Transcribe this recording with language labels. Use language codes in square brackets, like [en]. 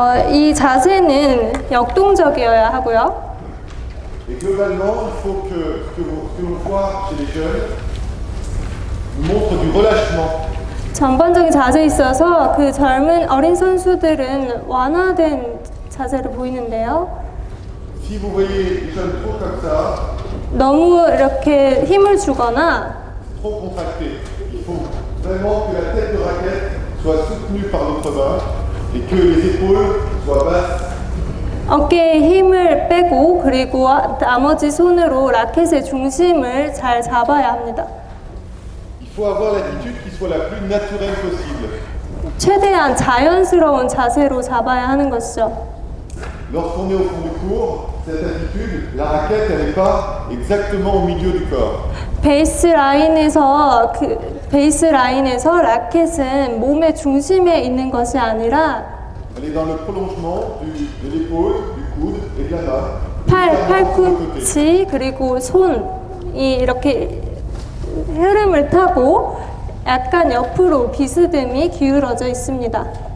[ko] 이 자세는 역동적이어야 하고요. [fr] Et globalement, il faut que ce que vous voyez chez les jeunes montre du relâchement. [ko] 전반적인 자세에 있어서 그 젊은 어린 선수들은 완화된 자세를 보이는데요. [fr] Si vous voyez les jeunes trop comme ça, [ko] 너무 이렇게 힘을 주거나 [fr] trop contracté. Il faut vraiment que la tête de raquette soit soutenue par votre main et que les épaules soient basses. [ko] 어깨에 힘을 빼고 그리고 나머지 손으로 라켓의 중심을 잘 잡아야 합니다. [fr] Il faut avoir l'attitude qui soit la plus naturelle possible. [ko] 최대한 자연스러운 자세로 잡아야 하는 것이죠. [fr] Lorsqu'on est au fond du cours, cette attitude, la raquette elle est pas exactement au milieu du corps. [ko] 베이스라인에서 그 베이스라인에서 라켓은 몸의 중심에 있는 것이 아니라 [fr] elle est dans le prolongement de l'épaule, du coude et de la main. [ko] 팔, 팔꿈치 그리고 손이 이렇게 흐름을 타고 약간 옆으로 비스듬히 기울어져 있습니다.